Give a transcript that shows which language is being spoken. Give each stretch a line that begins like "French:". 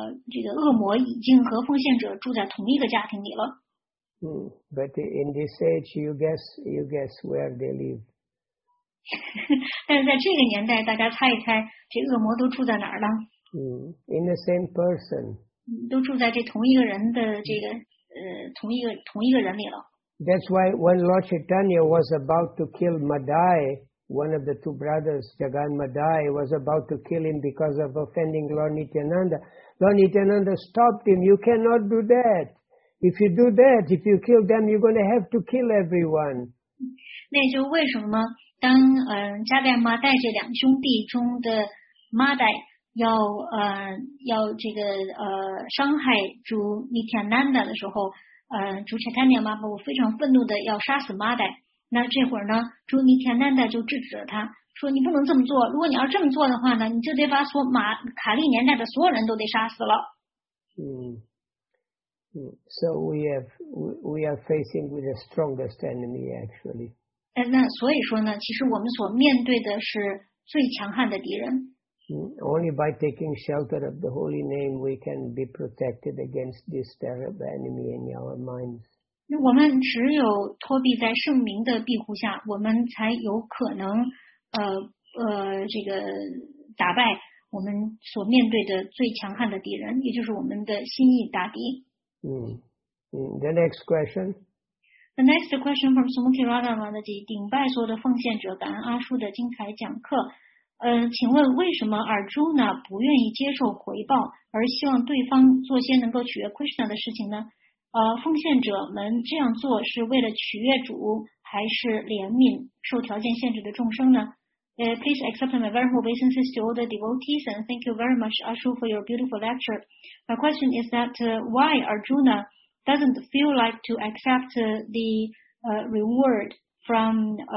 Chinese: 这个恶魔已经和奉献者住在同一个家庭里了。
English: But in this age, you guess where they live.
Chinese: 但是在这个年代，大家猜一猜，这恶魔都住在哪儿了？
English: In the same person.
Chinese: 都住在这同一个人的这个同一个人里了。
English: That's why when Lord Chaitanya was about to kill Madai. One of the two brothers, Jagan Madai, was about to kill him because of offending Lord Nityananda. Lord Nityananda stopped him. You cannot do that. If you do that, if you kill them, you're going to have to kill everyone.
Chinese: 那就为什么当加代马代这两兄弟中的马代要这个伤害主 Nityananda 的时候，主 Chaitanya Mahaprabhu 非常愤怒的要杀死马代。那这会儿呢，朱尼田丹代就制止了他，说你不能这么做，如果你要这么做的话呢，你就得把所马卡利年代的所有人都得杀死了。
English: So we are facing with the strongest enemy actually.
Chinese: 那所以说呢，其实我们所面对的是最强悍的敌人。
English: Only by taking shelter of the holy name we can be protected against this terrible enemy in our minds.
Chinese: 我们只有托庇在圣名的庇护下，我们才有可能这个打败我们所面对的最强悍的敌人，也就是我们的心意大敌。
English: The next question. The next question from Sumati Radhama,
Chinese: 顶拜所有的奉献者，感恩阿叔的精彩讲课。请问为什么尔朱呢不愿意接受回报，而希望对方做些能够取悦 Krishna 的事情呢？奉献者们这样做是为了取悦主，还是怜悯受条件限制的众生呢？
English: Please accept my very humble obeisances to all the devotees and thank you very much, Ashu, for your beautiful lecture. My question is that why Arjuna doesn't feel like to accept the reward from